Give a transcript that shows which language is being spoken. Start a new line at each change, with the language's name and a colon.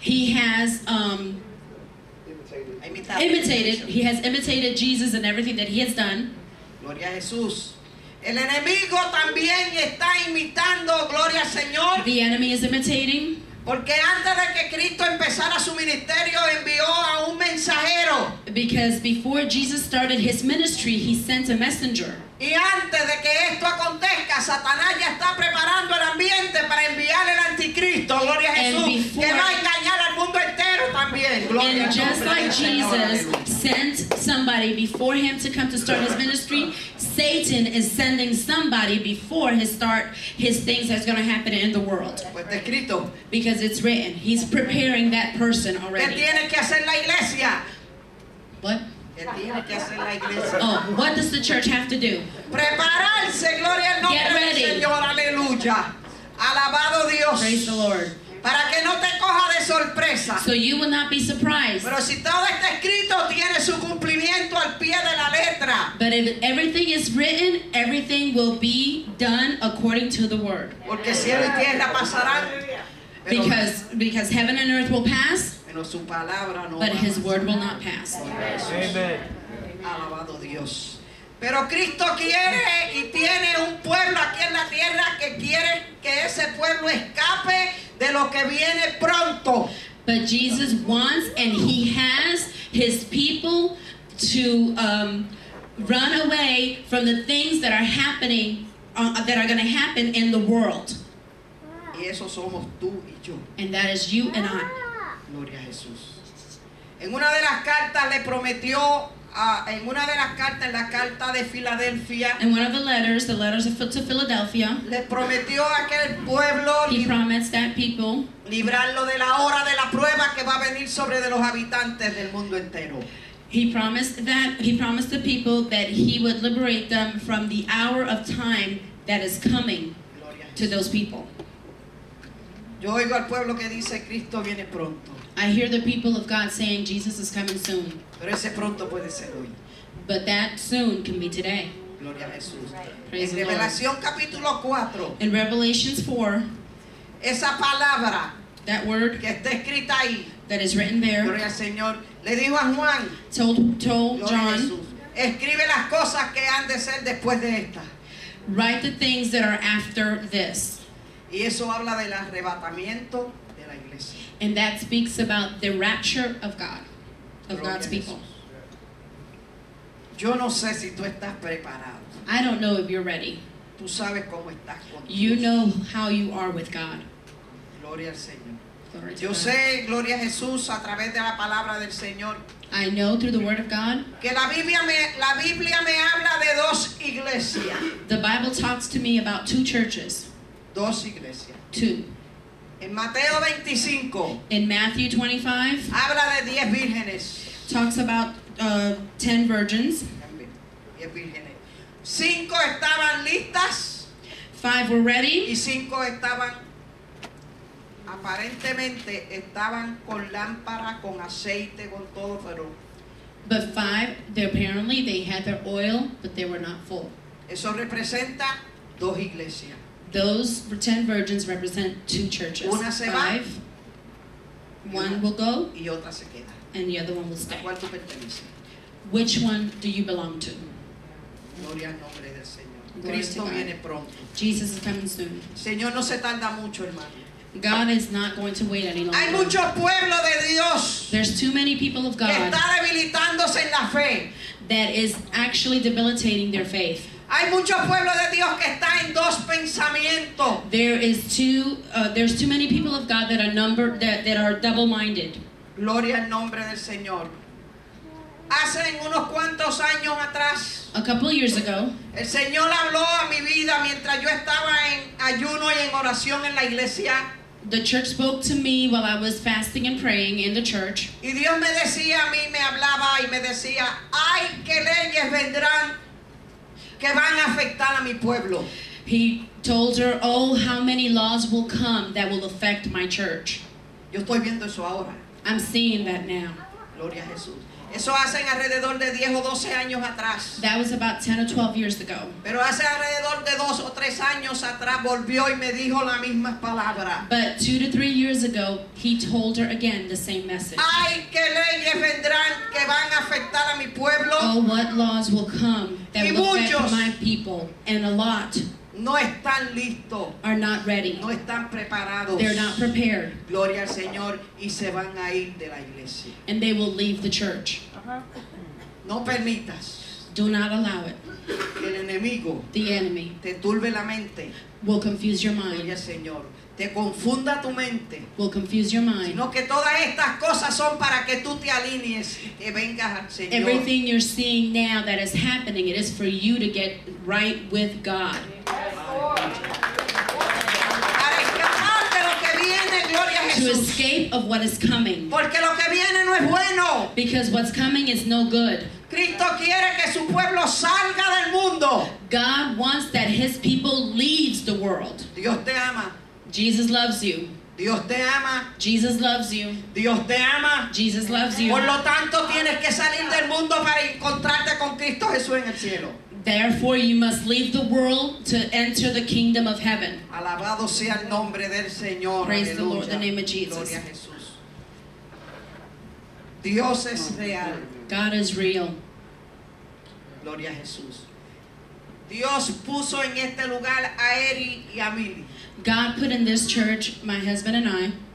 English: He has imitated. He has imitated Jesus in everything that he has done.
Spanish: Gloria a Jesús. El enemigo también está imitando, gloria al Señor.
English: The enemy is imitating.
Spanish: Porque antes de que Cristo empezara su ministerio, envió a un mensajero.
English: Because before Jesus started his ministry, he sent a messenger.
Spanish: Y antes de que esto acontezca, Satanás ya está preparando el ambiente para enviar el anticristo, gloria a Jesús,
English: before,
Spanish: que va a engañar al mundo entero también. Gloria
English: and just
Spanish: nombre,
English: like Jesus sent somebody before him to come to start his ministry, Satan is sending somebody before his things that's going to happen in the world.
Spanish: Pues está escrito.
English: Because it's written. He's preparing that person already.
Spanish: ¿Qué tiene que hacer la iglesia?
English: What? Oh, what does the church have to do?
Spanish: Prepararse, gloria al nombre del Señor, aleluya. Alabado Dios.
English: Praise the Lord.
Spanish: Para que no te coja de sorpresa.
English: So you will not be surprised.
Spanish: Pero si todo está escrito, tiene su cumplimiento al pie de la letra.
English: But if everything is written, everything will be done according to the word.
Spanish: Porque cielo y tierra pasarán.
English: Because heaven and earth will pass.
Spanish: No, su palabra no
English: but
Spanish: va
English: his
Spanish: pasar.
English: Word will not pass.
Spanish: Alabado Dios. Pero Cristo quiere y tiene un pueblo aquí en la tierra que quiere que ese pueblo escape de lo que viene pronto.
English: But Jesus wants and he has his people to run away from the things that are happening that are going to happen in the world.
Spanish: Y eso somos tú y yo.
English: And that is you and I.
Spanish: Gloria a Jesús. En una de las cartas le prometió a en una de las cartas en la carta de Filadelfia.
English: In one of the letters to Philadelphia.
Spanish: Le prometió a aquel pueblo.
English: He promised that people.
Spanish: Librarlo de la hora de la prueba que va a venir sobre de los habitantes del mundo entero.
English: He promised the people that he would liberate them from the hour of time that is coming to those people.
Spanish: Yo oigo al pueblo que dice Cristo viene pronto.
English: I hear the people of God saying Jesus is coming soon.
Spanish: Pero ese pronto puede ser hoy.
English: But that soon can be today.
Spanish: Gloria a Jesús.
English: Praise
Spanish: en Revelación capítulo 4.
English: In Revelations 4.
Spanish: Esa palabra.
English: That word.
Spanish: Que está escrita ahí.
English: That is written there.
Spanish: Gloria al Señor. Le dijo a Juan.
English: Told John.
Spanish: Gloria a Jesús. Escribe las cosas que han de ser después de esta.
English: Write the things that are after this.
Spanish: Y eso habla del arrebatamiento de la iglesia.
English: And that speaks about the rapture of God, of
Spanish: Gloria
English: God's people.
Spanish: Yo no sé si tú estás preparado.
English: I don't know if you're ready.
Spanish: Tú sabes cómo estás con Dios.
English: You know how you are with God.
Spanish: Gloria al Señor.
English: Glory
Spanish: Yo
English: to God.
Spanish: Sé, Gloria a Jesús, a través de la palabra del Señor.
English: I know through the word of God.
Spanish: Que la Biblia me habla de dos iglesias.
English: The Bible talks to me about two churches.
Spanish: Dos iglesias.
English: Two.
Spanish: En Mateo 25.
English: In Matthew 25.
Spanish: Habla de 10 vírgenes.
English: Talks about 10 virgins.
Spanish: 10 vírgenes. 5 estaban listas.
English: 5 were ready.
Spanish: Y 5 estaban aparentemente estaban con lámpara, con aceite, con todo, pero
English: but 5 they apparently they had their oil, but they were not full.
Spanish: Eso representa dos iglesias.
English: Those 10 virgins represent 2 churches.
Spanish: Una se va,
English: 5. One will go.
Spanish: Y otra se queda.
English: And the other one will stay.
Spanish: ¿A cuál tú perteneces?
English: Which one do you belong to?
Spanish: Gloria al nombre del Señor.
English: Glory Cristo to God.
Spanish: Viene pronto.
English: Jesus is coming soon.
Spanish: Señor, no se tarda mucho, hermano.
English: God is not going to wait any longer.
Spanish: Hay mucho pueblo de Dios.
English: There's too many people of God.
Spanish: Está debilitándose en la fe.
English: That is actually debilitating their faith.
Spanish: Hay mucho pueblo de Dios que está en dos pensamientos.
English: There is there's too many people of God that are that are double minded.
Spanish: Gloria al nombre del Señor. Hace unos cuantos años atrás,
English: a couple years ago,
Spanish: el Señor habló a mi vida mientras yo estaba en ayuno y en oración en la iglesia.
English: The church spoke to me while I was fasting and praying in the church.
Spanish: Y Dios me decía a mí, me hablaba y me decía, ay, qué leyes vendrán que van a afectar a mi pueblo.
English: He told her, oh, how many laws will come that will affect my church.
Spanish: Yo estoy viendo eso ahora.
English: I'm seeing that now.
Spanish: Gloria a Jesús. Eso hace alrededor de 10 o 12 años atrás.
English: That was about 10 or 12 years ago.
Spanish: Pero hace alrededor de 2 o 3 años atrás volvió y me dijo la misma palabra.
English: But 2 to 3 years ago, he told her again the same message.
Spanish: Ay, qué leyes vendrán que van a afectar a mi pueblo.
English: Oh, what laws will come that will affect my people. And a lot.
Spanish: No están listos.
English: Are not ready.
Spanish: No están preparados.
English: They're not prepared.
Spanish: Gloria al Señor y se van a ir de la iglesia.
English: And they will leave the church.
Spanish: No permitas.
English: Do not allow it.
Spanish: El enemigo.
English: The enemy.
Spanish: Te turbe la mente.
English: Will confuse your mind.
Spanish: Gloria al Señor. Te confunda tu mente.
English: Will confuse your mind.
Spanish: Sino que todas estas cosas son para que tú te alinees y vengas al Señor.
English: Everything you're seeing now that is happening, it is for you to get right with God.
Spanish: Para escapar de lo que viene, gloria a Jesús.
English: To escape of what is coming.
Spanish: Porque lo que viene no es bueno.
English: Because what's coming is no good.
Spanish: Cristo quiere que su pueblo salga del mundo.
English: God wants that his people leaves the world.
Spanish: Dios te ama.
English: Jesus loves you.
Spanish: Dios te ama.
English: Jesus loves you.
Spanish: Dios te ama.
English: Jesus loves you.
Spanish: Por lo tanto, tienes que salir del mundo para encontrarte con Cristo Jesús en el cielo.
English: Therefore, you must leave the world to enter the kingdom of heaven.
Spanish: Alabado sea el nombre del Señor.
English: Praise
Spanish: Aleluya.
English: The Lord, the name of Jesus.
Spanish: Gloria a Jesús. Dios es real.
English: God is real.
Spanish: Gloria a Jesús. Dios puso en este lugar a Eri y a mí.
English: God put in this church my husband and I.